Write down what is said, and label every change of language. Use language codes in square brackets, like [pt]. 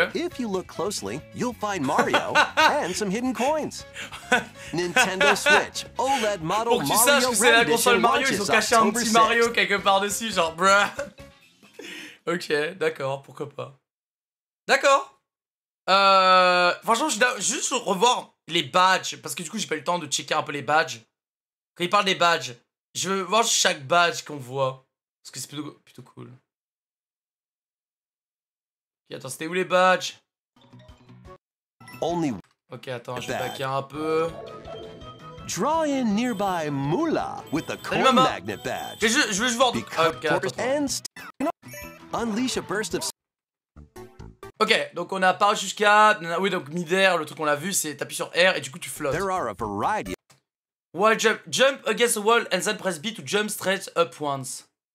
[en] If you look closely, you'll find Mario and some hidden coins. Nintendo Switch OLED model [fr] Mario Red. Pour que tu saches que c'est la console Mario, ils ont caché un petit Mario quelque part dessus, genre bruh. Ok, d'accord, pourquoi pas. D'accord. Franchement, je dois juste revoir les badges, parce que du coup, j'ai pas eu le temps de checker un peu les badges. Quand il parle des badges, je veux voir chaque badge qu'on voit, parce que c'est plutôt cool. Ok, attends, c'était où les badges? [en] Only... [fr] Ok, attends, je vais backer un peu. [en] Draw in nearby Moula with a coin magnet badge. [fr] Je veux juste voir... Ok, attends. [en] Unleash a burst of... [fr] Ok, donc on a pas jusqu'à... Oui, donc mid-air, le truc qu'on a vu, c'est t'appuies sur R et du coup tu flottes. [en] There are a variety... Wall jump. Jump against the wall and then press B to jump straight up once.